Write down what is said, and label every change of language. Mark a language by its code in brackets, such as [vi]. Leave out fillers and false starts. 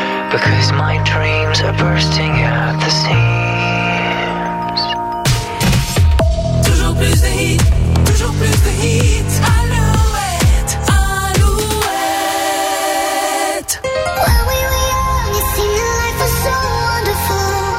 [en] because my dreams are bursting at the seams. [fr] Toujours plus de hits, toujours plus de hits. Alouette, Alouette. [en] When we were young, it seemed that life was so wonderful.